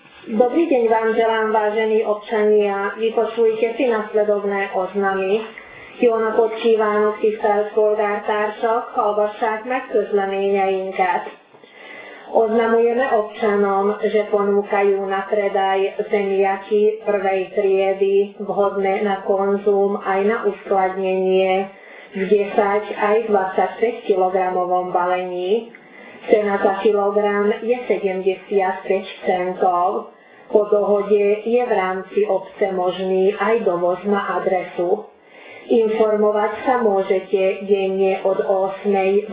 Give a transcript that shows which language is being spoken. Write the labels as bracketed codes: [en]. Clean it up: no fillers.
[sk] Dobrý deň vám želám, vážení občania. Vypočujte si nasledovné oznamy. [hu] Jónapot kívánok, tisztelt polgártársak, hallgassák meg közleményeinket. [sk] Oznamujeme občanom, že ponúkajú na predaj zemiaky prvej triedy vhodné na konzum aj na uskladnenie v 10 aj 26 kg balení. Cena za kilogram je 75 centov. Po dohode je v rámci obce možný aj dovoz na adresu. Informovať sa môžete denne od 8.